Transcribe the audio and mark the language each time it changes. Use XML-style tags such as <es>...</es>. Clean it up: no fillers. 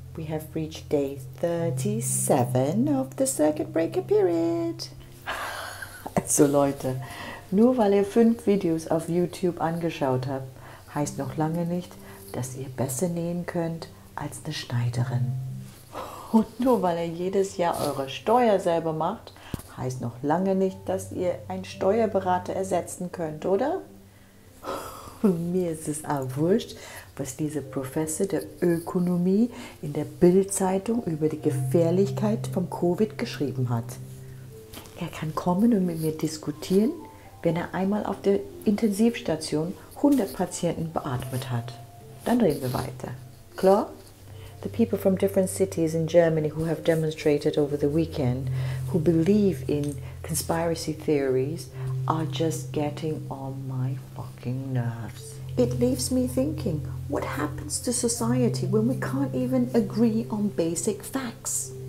<en>We have reached day 37 of the circuit breaker period.</en> <de>Also Leute, nur weil ihr 5 Videos auf YouTube angeschaut habt, heißt noch lange nicht, dass ihr besser nähen könnt als eine Schneiderin. Und nur weil ihr jedes Jahr eure Steuer selber macht, heißt noch lange nicht, dass ihr einen Steuerberater ersetzen könnt, oder? Mir ist es auch wurscht, was diese Professor der Ökonomie in der Bild-Zeitung über die Gefährlichkeit vom Covid geschrieben hat. Er kann kommen und mit mir diskutieren, wenn er einmal auf der Intensivstation 100 Patienten beatmet hat. Dann reden wir weiter. Klar?</de> <en>The people from different cities in Germany who have demonstrated over the weekend, who believe in conspiracy theories, are just getting on my fucking nerves. It leaves me thinking, what happens to society when we can't even agree on basic facts?</en>